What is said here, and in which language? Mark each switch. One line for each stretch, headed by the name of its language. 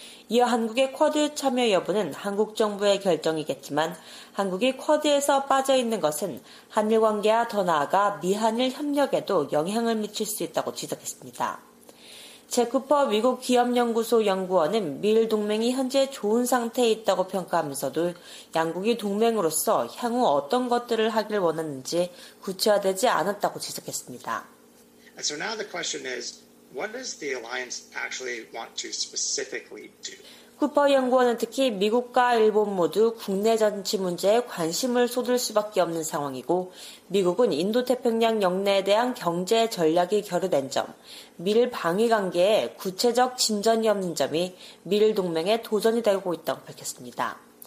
Korean: 이어 한국의 쿼드 참여 여부는 한국 정부의 결정이겠지만 한국이 쿼드에서 빠져있는 것은 한일 관계와 더 나아가 미한일 협력에도 영향을 미칠 수 있다고 지적했습니다. 제쿠퍼 미국 기업연구소 연구원은 미일 동맹이 현재 좋은 상태에 있다고 평가하면서도 양국이 동맹으로서 향후 어떤 것들을 하길 원하는지 구체화되지 않았다고 지적했습니다.
English: So now the question is, what does the alliance actually want to specifically do?
Korean: 쿠퍼 연구원은 특히 미국과 일본 모두 국내 정치 문제에 관심을 쏟을 수밖에 없는 상황이고 미국은 인도태평양 영내에 대한 경제 전략이 결여된 점, 미일 방위 관계에 구체적 진전이 없는 점이 미일 동맹의 도전이 되고 있다고 밝혔습니다.